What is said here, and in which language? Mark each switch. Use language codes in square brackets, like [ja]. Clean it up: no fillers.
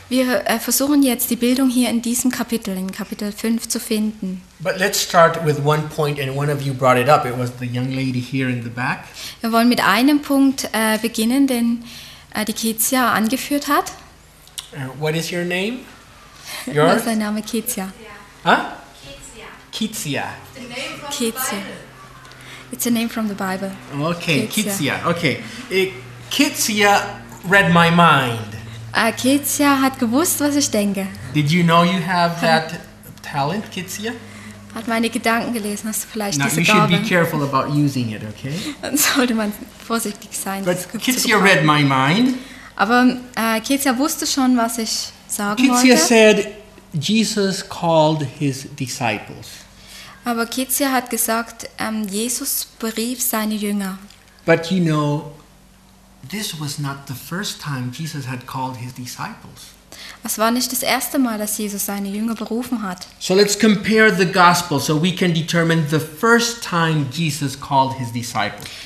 [de] Wir versuchen jetzt die Bildung hier in diesem Kapitel, in Kapitel 5, zu finden. [en] But let's start with one point, and one of you brought it up. It was the young lady here in the back. [de] Wir wollen mit einem Punkt beginnen, den die Kezia angeführt hat. [en] What is your name? Yours? [de] Was ist dein Name? Kezia. [en] Huh? Kezia. Kezia. It's a name from the Bible. Okay, Kezia. Okay. Kezia read my mind. [de] Kezia hat gewusst, was ich denke. [en] Did you know you have that talent, Kezia? [de] Hat meine Gedanken gelesen, hast du vielleicht [en] Now, [de] diese Gabe? [en] Now, you should be careful about using it, okay? [de] Dann sollte man vorsichtig sein. [en] But Kezia read my mind. [de] Aber Kezia wusste schon, was ich sagen [en] Kezia [de] wollte. [en] Kezia said, Jesus called his disciples. [de] Aber Kezia hat gesagt, Jesus berief seine Jünger. [en] But you know, this was not the first time Jesus had called his disciples. [de] Es war nicht das erste Mal, dass Jesus seine Jünger berufen hat. [en] So let's compare the gospel so we can determine the first time Jesus called his disciples.